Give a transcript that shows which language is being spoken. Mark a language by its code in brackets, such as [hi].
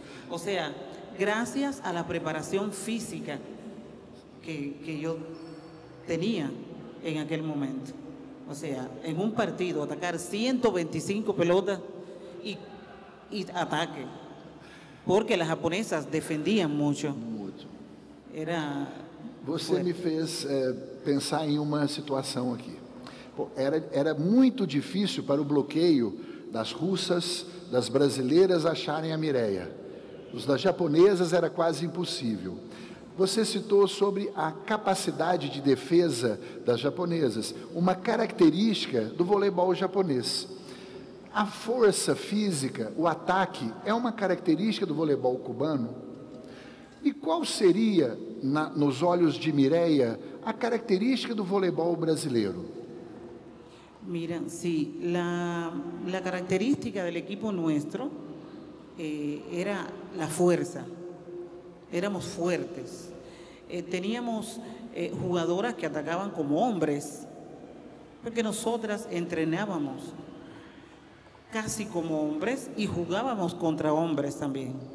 [es] O sea, gracias a la preparación física que yo tenía en aquel momento. O sea, en un partido atacar 125 pelotas y ataque, porque las japonesas defendían mucho. Era... [pt] Você me fez pensar em uma situação aqui. Pô, era muito difícil para o bloqueio das russas, das brasileiras acharem a Mireia. Os das japonesas era quase impossível. Você citou sobre a capacidade de defesa das japonesas, uma característica do voleibol japonês. A força física, o ataque, é uma característica do voleibol cubano? E qual seria, nos olhos de Mireia, a característica do voleibol brasileiro? [es] Mira, sim, la característica del equipo nuestro era la fuerza. Éramos fuertes. Teníamos jugadoras que atacaban como hombres, porque nosotras entrenábamos casi como hombres y jugábamos contra hombres también.